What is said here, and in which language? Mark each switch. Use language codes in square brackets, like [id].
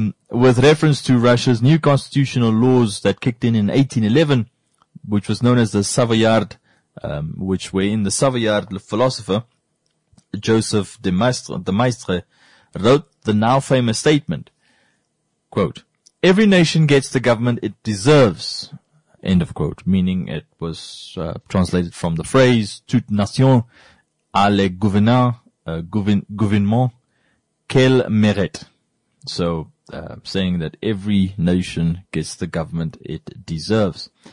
[en] with reference to Russia's new constitutional laws that kicked in 1811, which was known as the Savoyard, which were in the Savoyard philosopher, Joseph de Maistre wrote the now famous statement, quote, Every nation gets the government it deserves. End of quote. Meaning it was translated from the phrase [fr] toute nation a le gouverneur, gouvernement qu'elle mérite. [en] So, saying that every nation gets the government it deserves.